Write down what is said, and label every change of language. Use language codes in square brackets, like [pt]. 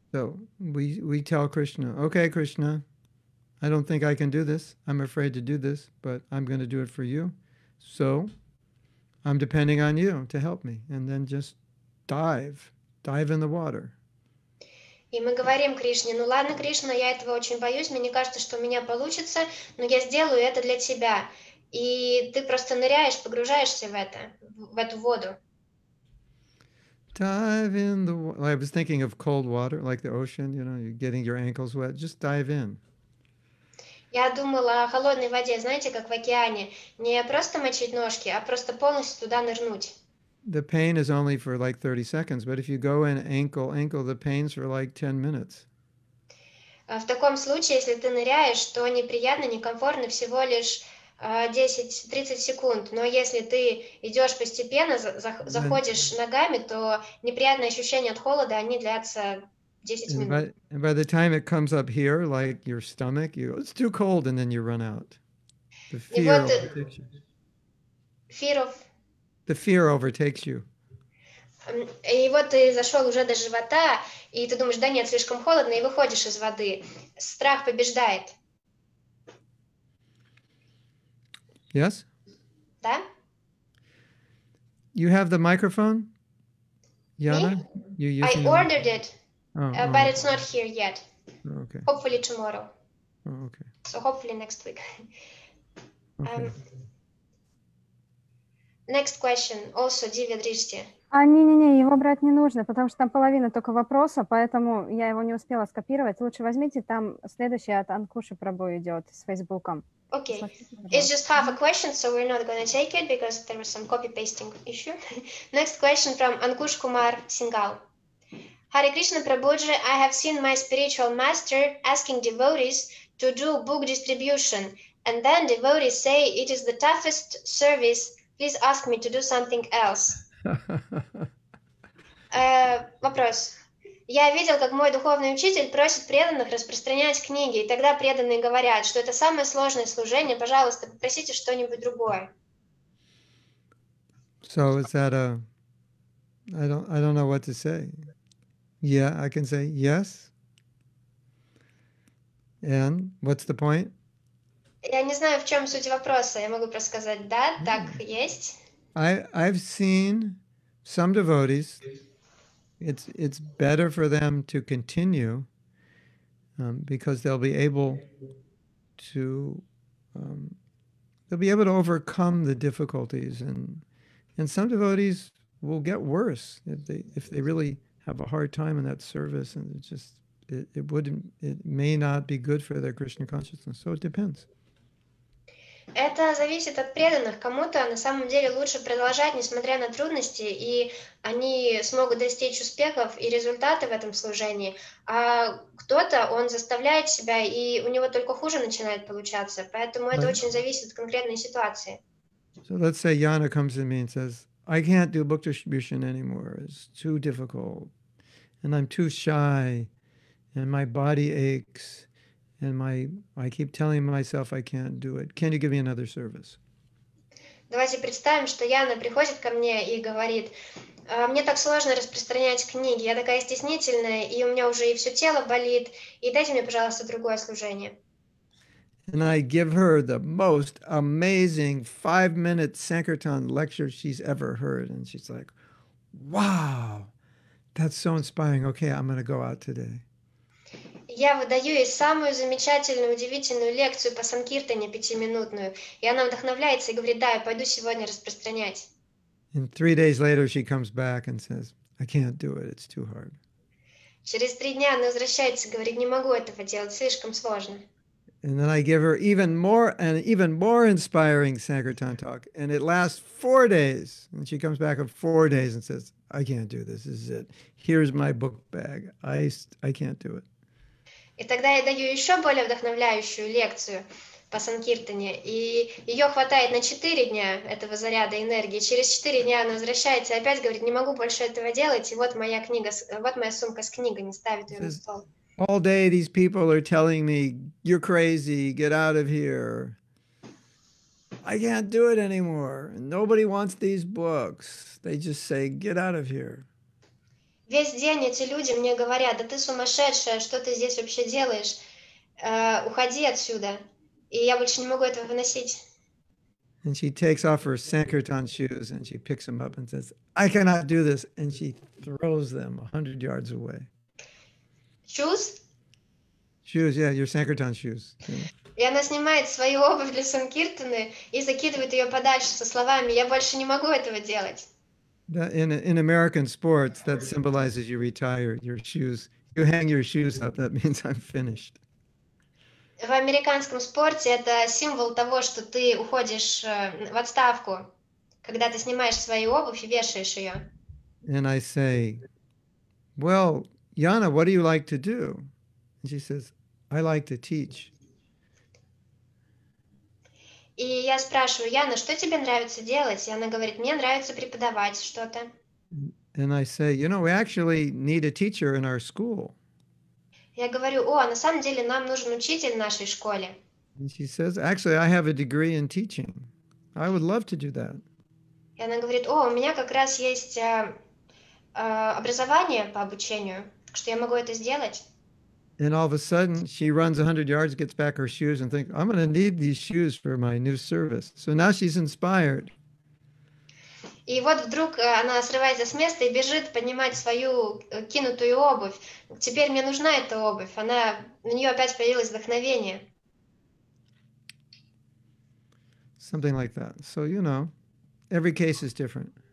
[en] So we tell Krishna, okay, Krishna, I don't think I can do this. I'm afraid to do this, but I'm going to do it for you. So I'm depending on you to help me. And then just dive in the water. [ru] И мы говорим Кришне, ну ладно, Кришна, я этого очень боюсь, мне не кажется, что у меня получится, но я сделаю это для тебя. И ты просто ныряешь, погружаешься в эту воду. [en] Dive in the water. I was thinking of cold water, like the ocean, you know, you're getting your ankles wet. Just dive in. [ru] Я думала о холодной воде, знаете, как в океане. Не просто мочить ножки, а просто полностью туда нырнуть. [en] The pain is only for like 30 seconds, but if you go in ankle, the pain's for like 10 minutes. [ru] В таком случае, если ты ныряешь, то неприятно, некомфортно всего лишь 10-30 секунд. Но если ты идешь постепенно, заходишь ногами, то неприятные ощущения от холода, они длятся... [en] And by the time it comes up here, like your stomach, it's too cold, and then you run out. The fear overtakes you. The fear overtakes you. [ru] И вот ты зашел уже до живота, и ты думаешь, да нет, слишком холодно, и выходишь из воды. Страх побеждает. [en] Yes? [ru] Да. [en] You have the microphone? Yana? Me? You're using I ordered it. But it's not here yet. Okay. Hopefully tomorrow. Okay. So hopefully next week. Okay. Next question. Also, Divya Drishti. [ru] А не-не-не, его брать не нужно, потому что там половина только вопроса, поэтому я его не успела скопировать. Лучше возьмите, там следующий от Анкуши Прабу идет с Фейсбуком. [en] Okay. It's just half a question, so we're not going to take it because there was some copy-pasting issue. Next question from Ankush Kumar Singhal. Hare Krishna Prabhuji, I have seen my spiritual master asking devotees to do book distribution, and then devotees say it is the toughest service, please ask me to do something else. [ru] Вопрос. Я видел, как мой духовный учитель просит преданных распространять книги, и тогда преданные говорят, что это самое сложное служение, пожалуйста, попросите что-нибудь другое. [en] So is that a... I don't know what to say. Yeah, I can say yes. And what's the point? [ru] Я не знаю, в чем суть вопроса. Я могу просто сказать да, так есть. [en] I've seen some devotees. It's better for them to continue because they'll be able to overcome the difficulties and some devotees will get worse if they really have a hard time in that service, and it may not be good for their Krishna consciousness. So it depends. [ru] Это зависит от преданных. Кому-то на самом деле лучше продолжать, несмотря на трудности, и они смогут достичь успехов и результаты в этом служении. А кто-то, он заставляет себя, и у него только хуже начинает получаться. Поэтому это очень зависит от конкретной ситуации. [en] So let's say Yana comes to me and says, I can't do book distribution anymore. It's too difficult. And I'm too shy. And my body aches. And I keep telling myself I can't do it. Can you give me another service? [ru] Давайте представим, что Яна приходит ко мне и говорит, мне так сложно распространять книги, я такая стеснительная, и у меня уже и все тело болит, и дайте мне, пожалуйста, другое служение. [en] And I give her the most amazing 5-minute Sankirtan lecture she's ever heard. And she's like, wow, that's so inspiring. Okay, I'm going to go out today. [ru] Я выдаю ей самую замечательную, удивительную лекцию по санкиртане, 5-минутную. И она вдохновляется и говорит, да, я пойду сегодня распространять. [en] And 3 days later she comes back and says, I can't do it, it's too hard. [ru] Через 3 дня она возвращается и говорит, не могу этого делать, слишком сложно. [en] And then I give her an even more inspiring Sankirtan talk. And it lasts 4 days. And she comes back in 4 days and says, I can't do this, this is it. Here's my book bag. I can't do it. [ru] И тогда я даю еще более вдохновляющую лекцию по санкиртане. И ее хватает на 4 дня этого заряда энергии. Через 4 дня она возвращается и опять говорит, не могу больше этого делать. И вот моя книга, вот моя сумка с книгами, ставит ее на стол. [en] All day these people are telling me, you're crazy, get out of here. I can't do it anymore. Nobody wants these books. They just say, get out of here. [ru] Весь день эти люди мне говорят, да ты сумасшедшая, что ты здесь вообще делаешь? Уходи отсюда. И я больше не могу этого выносить. [en] And she takes off her Sankirtan shoes and she picks them up and says, I cannot do this. And she throws them 100 yards away. Shoes? Shoes, yeah, your Sankirtan shoes. [ru] И она снимает свою обувь для санкиртаны и закидывает ее подальше со словами, я больше не могу этого делать. [en] In American sports, that symbolizes you retire your shoes. You hang your shoes up. That means I'm finished. [ru] В американском спорте это символ того, что ты уходишь в отставку, когда ты снимаешь свою обувь и вешаешь ее. [en] And I say, well, Yana, what do you like to do? And she says, I like to teach. [ru] И я спрашиваю, Яна, что тебе нравится делать? И она говорит, мне нравится преподавать что-то. [en] And I say, you know, we actually need a teacher in our school. [ru] Я говорю, о, на самом деле нам нужен учитель в нашей школе. [en] And she says, actually, I have a degree in teaching. I would love to do that. [ru] И она говорит, о, у меня как раз есть образование по обучению, что я могу это сделать. [en] And all of a sudden, she runs 100 yards, gets back her shoes, and thinks, I'm going to need these shoes for my new service. So now she's inspired. [ru] И вот вдруг она срывается с места и бежит поднимать свою кинутую обувь. Теперь мне нужна эта обувь. Она, у нее опять появилось вдохновение. [en] Something like that. So, you know, every case is different.